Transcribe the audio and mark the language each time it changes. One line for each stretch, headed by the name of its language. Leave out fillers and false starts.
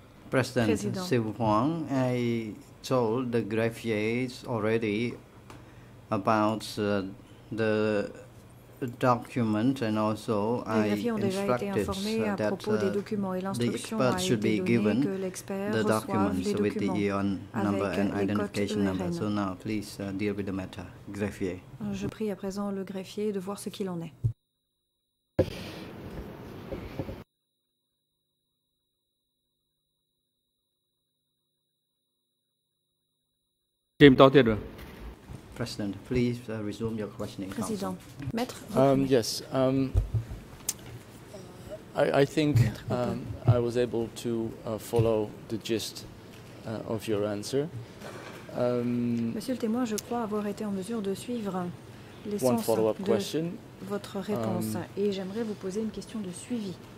English: President Siu Huang, I told the greffiers already about the document and also I instructed that the expert should be given the documents with the EON number and identification number. So now, please deal with the matter, greffier.
French: Je prie à présent le greffier de voir ce qu'il en est.
English: President, please resume your questioning. President, yes. I think I was able to follow the gist of your answer.
French: Monsieur le témoin, je crois avoir été en mesure de suivre l'essence de question. Votre réponse et j'aimerais vous poser une question de suivi.